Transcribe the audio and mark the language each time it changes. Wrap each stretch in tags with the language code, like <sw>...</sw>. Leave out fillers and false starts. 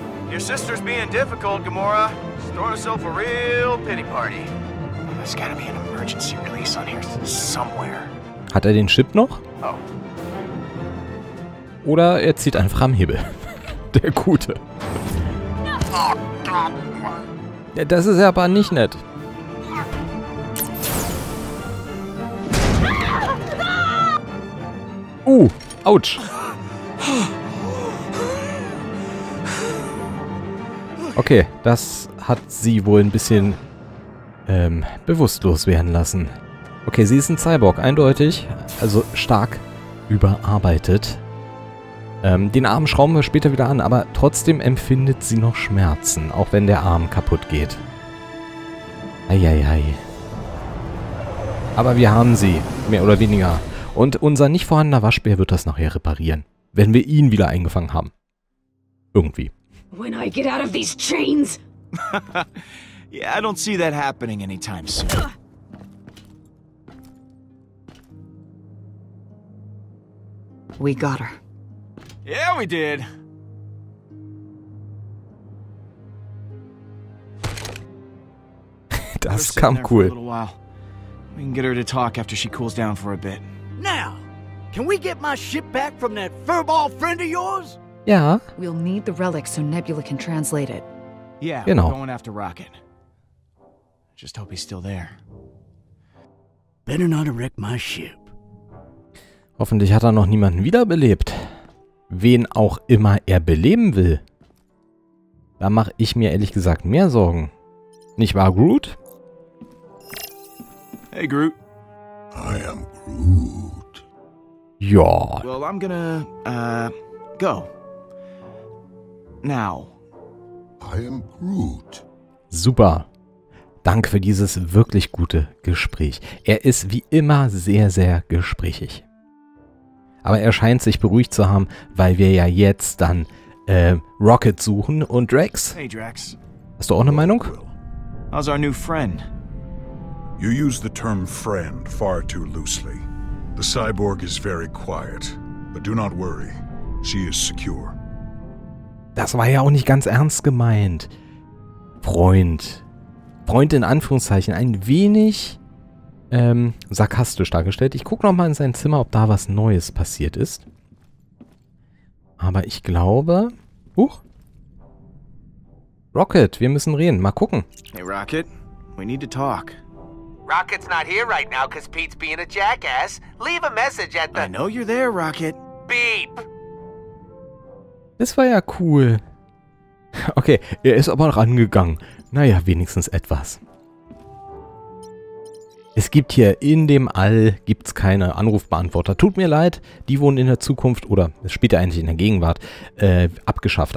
<en>Your sister's being difficult, Gamora. She's throwing herself a real pity party. There's gotta be an emergency release on here somewhere.</en> <de>Hat den Chip noch? Oh. Oder er zieht einfach am Hebel. Der Gute. Das ist aber nicht nett. Autsch. Okay, das hat sie wohl ein bisschen bewusstlos werden lassen. Okay, sie ist ein Cyborg, eindeutig. Also stark überarbeitet. Den Arm schrauben wir später wieder an, aber trotzdem empfindet sie noch Schmerzen, auch wenn der Arm kaputt geht. Eieiei. Aber wir haben sie, mehr oder weniger. Und unser nicht vorhandener Waschbär wird das nachher reparieren, wenn wir ihn wieder eingefangen haben. Irgendwie.</de> <en>When I get out of these chains. Yeah, I don't see that happening anytime soon. We got her. Yeah, we did.</en> <de>Das kam cool.</de> <en>We can get her to talk after she cools down for a bit. Now, can we get my ship back from that furball friend of yours? Yeah. We'll need the relic so Nebula can translate it. Yeah, you know. We're going after Rocket. Just hope he's still there. Better not wreck my ship.</en> <de>Hoffentlich hat er noch niemanden wiederbelebt. Wen auch immer er beleben will. Da mache ich mir ehrlich gesagt mehr Sorgen. Nicht wahr, Groot? Hey, Groot.</de> <en>I am Groot.</en> <de>Ja.</de> <en>Well, I'm gonna, go. Now. I am Groot.</en> <de>Super. Danke für dieses wirklich gute Gespräch. Er ist wie immer sehr, sehr gesprächig. Aber er scheint sich beruhigt zu haben, weil wir ja jetzt dann Rocket suchen und Drax. Hey Drax. Hast du auch eine Meinung?</de> <en>How's our new friend? You use the term friend far too loosely. The cyborg is very quiet, but do not worry. She is secure.</en> <de>Das war ja auch nicht ganz ernst gemeint. Freund. Freund in Anführungszeichen. Ein wenig sarkastisch dargestellt. Ich gucke nochmal in sein Zimmer, ob da was Neues passiert ist. Aber ich glaube... Huch. Rocket, wir müssen reden. Mal gucken.</de> <en>Hey Rocket, we need to talk. Rocket's not here right now, because Pete's being a jackass. Leave a message at the... I know you're there, Rocket. Beep.</en> <de>Das war ja cool. Okay, er ist aber noch angegangen. Naja, wenigstens etwas. Es gibt hier in dem All gibt's keine Anrufbeantworter. Tut mir leid, die wurden in der Zukunft oder später eigentlich in der Gegenwart abgeschafft.</de>